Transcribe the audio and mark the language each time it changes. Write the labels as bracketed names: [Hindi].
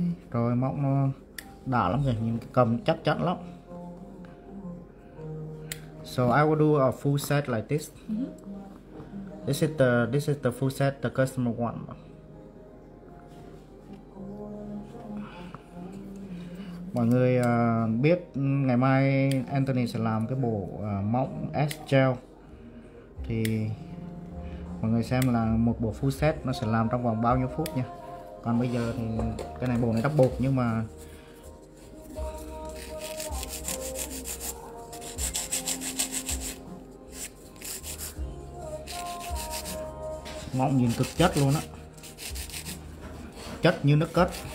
[Vietnamese] Rồi mộng nó đã lắm rồi, nhìn cầm chắc chắn lắm. [English] So I will do a full set like this. Mm-hmm. This is the full set the customer want. [Vietnamese] Mọi người biết ngày mai Anthony sẽ làm cái bộ mộng S gel thì mọi người xem là một bộ full set nó sẽ làm trong vòng bao nhiêu phút nha. Còn bây giờ thì cái này bộ này đắp bột nhưng mà mộng nhìn cực chất luôn á, chất như nước cất.